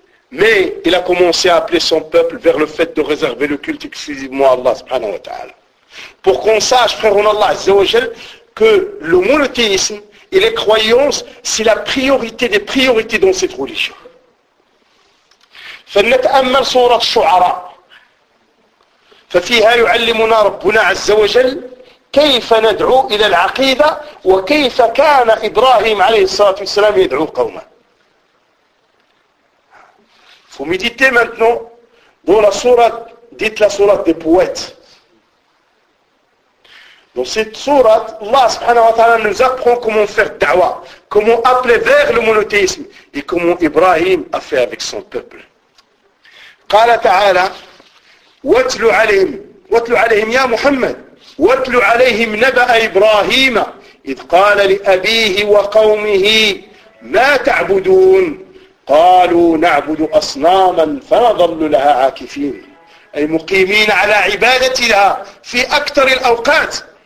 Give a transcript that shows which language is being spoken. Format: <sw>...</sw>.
<fr>Mais il a commencé à appeler son peuple vers le fait de réserver le culte exclusivement à Allah subhanahu wa ta'ala. Pour qu'on sache, frère en Allah azza wa jal, que le monothéisme et les croyances, c'est la priorité des priorités dans cette religion.</fr> <ar>فلنتأمل صورة الشعراء ففيها يعلمنا ربنا عز وجل كيف ندعو إلى العقيدة وكيف كان إبراهيم عليه الصلاة والسلام يدعو قومه.</ar> <fr>Faut méditer maintenant dans la sourate, dites la sourate des poètes. Dans cette sourate, Allah subhanahu wa ta'ala nous apprend comment faire da'wa, comment appeler vers le monothéisme et comment Ibrahim a fait avec son peuple.</fr> <ar>قال تعالى واتل عليهم يا محمد واتل عليهم نبأ إبراهيم إذ قال لأبيه وقومه ما تعبدون قالوا نعبد أصناما فنظل لها عاكفين أي مقيمين على عبادتها في أكثر الأوقات.</ar>